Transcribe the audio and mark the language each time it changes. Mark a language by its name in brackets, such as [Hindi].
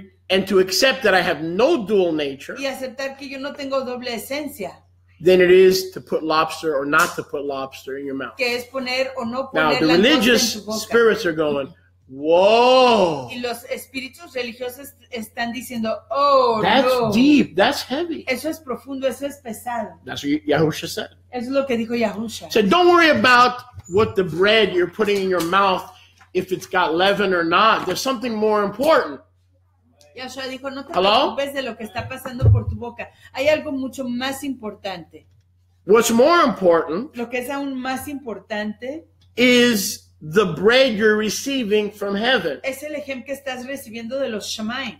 [English] And to accept that I have no dual nature. [Spanish] Y aceptar que yo no tengo doble esencia. [English] Than it is to put lobster or not to put lobster in your mouth. [Spanish] Que es poner o no poner. [English] Now the religious spirits are going, whoa. [Spanish] Y los espíritus religiosos están diciendo, oh, [English] that's no. Deep. That's heavy. [Spanish] Eso es profundo. Eso es pesado. [English] That's what Yahusha said. [Spanish] Eso es lo que dijo Yahusha. [English] So don't worry about what the bread you're putting in your mouth, if it's got leaven or not. There's something more important. [Spanish] Yahusha dijo, no te preocupes de lo que está pasando por tu boca. Hay algo mucho más importante. [English] What's more important? [Spanish] Lo que es aún más importante [English] is the bread you're receiving from heaven. [Spanish] Es el ejemplo que estás recibiendo de los shamayim.